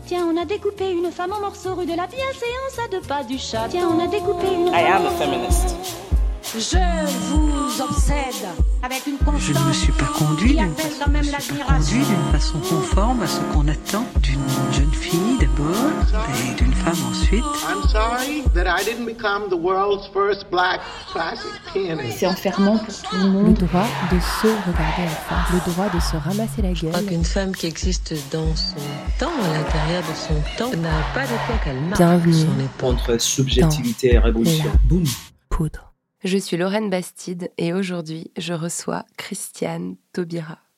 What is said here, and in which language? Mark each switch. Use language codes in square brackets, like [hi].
[fr] Tiens, on a découpé une femme en morceaux rue de la bienséance à deux pas du chat. Tiens, on a découpé une femme. [en] I am a feminist. [fr] Je vous obsède avec une constance. Je ne me suis pas conduite d'une façon conforme à ce qu'on attend d'une jeune fille d'abord et d'une femme ensuite. [en] I'm sorry that I didn't become the world's first black classic pianist. [fr] C'est enfermant pour tout le monde. Le droit de se regarder en face, le droit de se ramasser la gueule. Je crois qu'une femme qui existe dans son temps, à l'intérieur de son temps, n'a pas de quoi qu'elle marque. Bienvenue. Son épontre subjectivité et révolution. Boum. Poudre. Je suis Lorraine Bastide et aujourd'hui, je reçois Christiane Taubira.